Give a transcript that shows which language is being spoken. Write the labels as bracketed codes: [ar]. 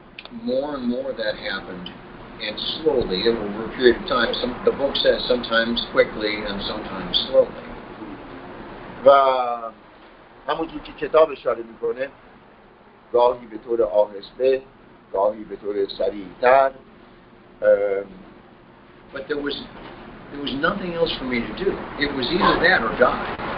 [en] More and more that happened, and slowly, over a period of time, the book says sometimes quickly and sometimes slowly. [fa] و همونجور که کتاب اشاره میکنه، گاهی به طور آهسته، گاهی به طور سریعتر. [en] But there was nothing else for me to do. It was either that or die.